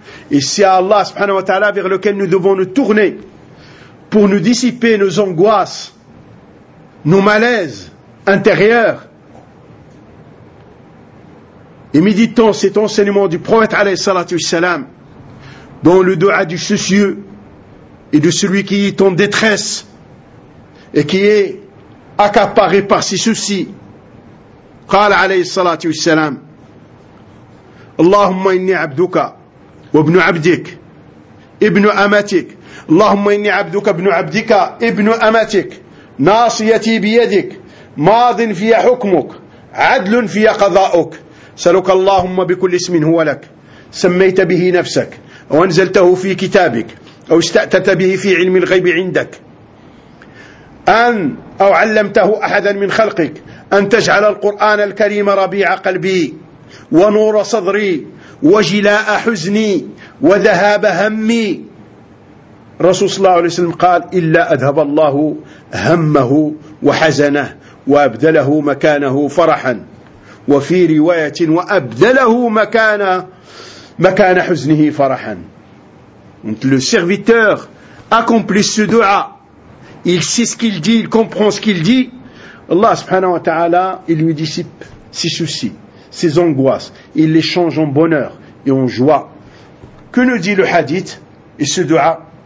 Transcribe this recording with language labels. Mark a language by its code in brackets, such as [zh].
[fr] Et c'est Allah subhanahu wa ta'ala vers lequel nous devons nous tourner pour nous dissiper nos angoisses, nos malaises intérieurs. Et méditons cet enseignement du prophète alayhi salatu wassalam dans le doua du soucieux et de celui qui est en détresse et qui est accaparé par ses soucis. [ar] قال عليه الصلاة والسلام اللهم إني عبدك وابن عبدك ابن أمتك اللهم إني عبدك ابن عبدك ابن أمتك ناصيتي بيدك ماض في حكمك عدل في قضاءك سألك اللهم بكل اسم هو لك سميت به نفسك أو أنزلته في كتابك أو استأتت به في علم الغيب عندك أن أو علمته أحدا من خلقك أن تجعل القرآن الكريم ربيع قلبي ونور صدري وجلاء حزني وذهاب همي. رسول الله صلى الله عليه وسلم قال إلا أذهب الله همه وحزنه وأبدله مكانه فرحا. وفي رواية وأبدله مكان حزنه فرحا. [fr] Le serviteur accomplit ce dua. Il sait ce qu'il dit, il comprend ce qu'il dit. Allah subhanahu wa ta'ala, il lui dissipe ses soucis, ses angoisses. Il les change en bonheur et en joie. Que nous dit le hadith et ce dua?